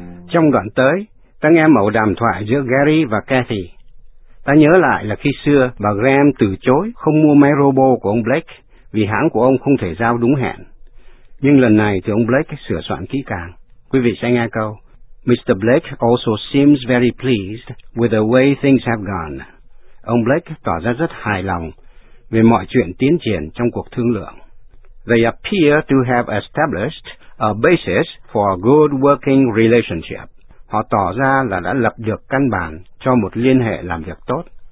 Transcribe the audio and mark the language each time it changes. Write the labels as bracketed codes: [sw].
[vi] Trong đoạn tới, ta nghe mẫu đàm thoại giữa Gary và Kathy. Ta nhớ lại là khi xưa bà Graham từ chối không mua máy robot của ông Blake vì hãng của ông không thể giao đúng hẹn. Nhưng lần này thì ông Blake sửa soạn kỹ càng. Quý vị sẽ nghe câu, Mr. [en] Blake also seems very pleased with the way things have gone. [vi] Ông Blake tỏ ra rất hài lòng về mọi chuyện tiến triển trong cuộc thương lượng. [en] They appear to have established a basis for a good working relationship. [vi] Họ tỏ ra là đã lập được căn bản cho một liên hệ làm việc tốt.